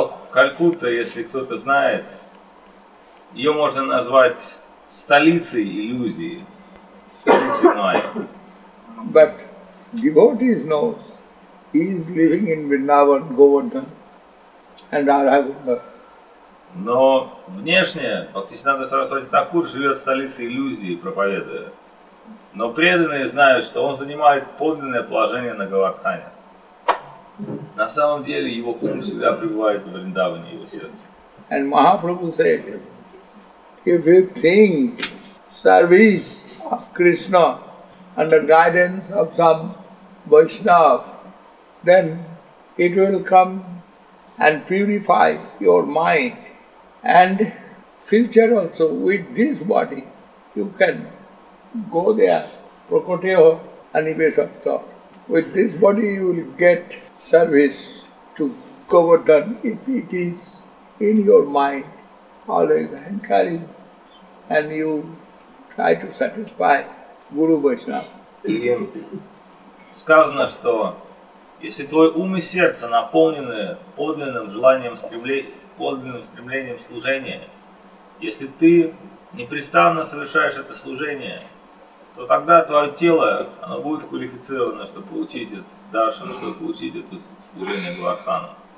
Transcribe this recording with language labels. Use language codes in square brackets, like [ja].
[ru] Калькутта, если кто-то знает, ее можно назвать столицей иллюзии, столицей Майя. [en] But devotees know. He is living in Vrindavan, Govardhan and Radha-Govinda. [ru] Но внешне Бхактисиддханта Сарасвати Такур живет в столице иллюзии, проповедуя. Но преданные знают, что он занимает подлинное положение на Говардхане. На самом деле его ум всегда пребывает в Вриндаване, его сердце. [en] And Mahaprabhu said, if you think service of Krishna under guidance of some Vaishnava, then it will come and purify your mind and future also with this body. You can go there, Prakoteho Anibeshapta. With this body you will get service to Govardhan if it is in your mind, always hankering, and you try to satisfy Guru Vaishnava. [ru] Сказано, что Если твой ум и сердце наполнены подлинным желанием подлинным стремлением служения, если ты непрестанно совершаешь это служение, то тогда твое тело, оно будет квалифицировано, чтобы получить это даршан, чтобы получить это служение Гвардхана.